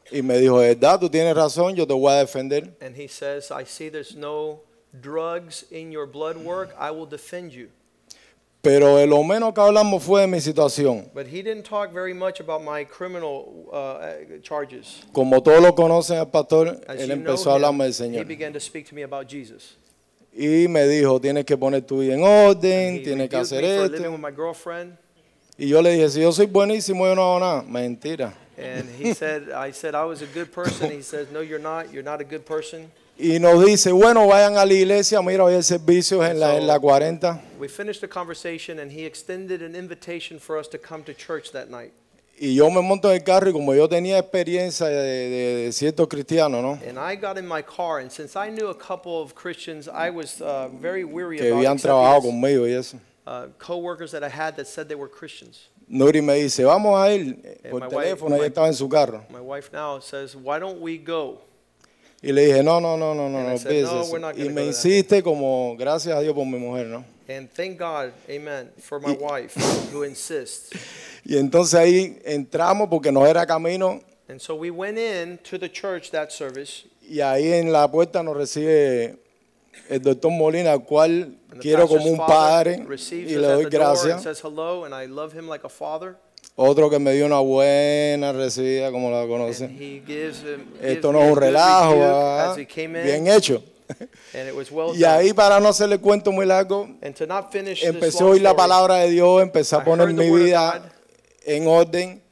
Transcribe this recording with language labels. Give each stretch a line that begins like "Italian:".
Spanish: Y me dijo, verdad, tú tienes razón, yo te voy a defender.
English: And he says, I see there's no drugs in your blood work, I will defend you.
Spanish: Pero de lo menos que hablamos fue de mi situación.
English: But he didn't talk very much about my criminal charges.
Spanish: Como todos lo conocen al pastor, él empezó a hablarme del Señor.
English: He began to speak to me about Jesus.
Spanish: Y me dijo, tienes que poner tu vida en orden, tienes que hacer esto.
English: Living with my girlfriend.
Spanish: Y yo le dije, si yo soy buenísimo, yo no hago nada. Mentira.
English: And he said, I said I was a good person. He says, no, you're not a good person.
Spanish: Y nos dice, bueno, vayan a la iglesia, mira, hoy hay servicios en la 40.
English: We finished the conversation and he extended an invitation for us to come to church that night.
Spanish: Y yo me monto en el carro y como yo tenía experiencia de cierto cristiano, ¿no?
English: And I got in my car and since I knew a couple of Christians, I was very weary
Spanish: que
English: about
Spanish: habían trabajado conmigo y eso.
English: Co-workers that I had that said they were Christians.
Spanish: Nuri me dice, vamos a ir por teléfono, ella estaba en su carro.
English: My wife now says, why don't we go?
Spanish: Y le dije, no,
English: no,
Spanish: y me insiste como gracias a Dios por mi mujer, ¿no?
English: And thank God, amen, for my wife who insists.
Spanish: Y entonces ahí entramos porque no era camino.
English: And so we went in to the church that service.
Spanish: Y ahí en la puerta nos recibe el doctor Molina, al cual quiero como un padre y le doy gracias.
English: Says hello and I love him like a father.
Spanish: Otro que me dio una buena recibida, como la conocen.
English: Him,
Spanish: esto no es un relajo, bien hecho.
English: And it was well
Spanish: y ahí, para no hacerle cuento muy largo, empecé a oír la palabra de Dios, empecé a poner mi vida en orden.